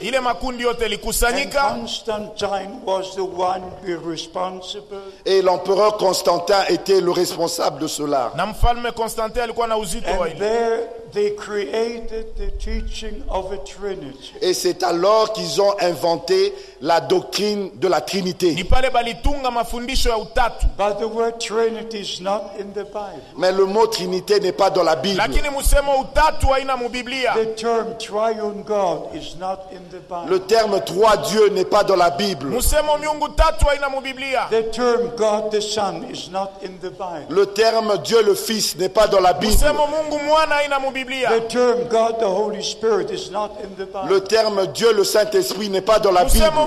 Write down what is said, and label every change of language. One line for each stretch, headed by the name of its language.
English: And Constantine was the one who was responsible.
French: Et l'empereur Constantin était le responsable. De cela.
English: And there they created the teaching of a Trinity.
French: Et c'est alors qu'ils ont inventé la doctrine de la Trinité.
English: But the word Trinity is not in the Bible.
French: Mais le mot Trinité n'est pas dans la Bible.
Swahili: Lakini musemo utatu haina mubiblia.
English: The term triune God is not in the Bible.
French: Le terme trois Dieu n'est pas dans la Bible.
Swahili: Musemo miungu tatu haina mubiblia.
English: The term God the Son is not in the Bible.
French: Le terme Dieu le Fils n'est pas dans la Bible.
Swahili: Musemo mungu mwana haina mubiblia.
English: The term God the Holy Spirit is not in the Bible.
French: Le terme Dieu le Saint-Esprit n'est pas dans la Bible.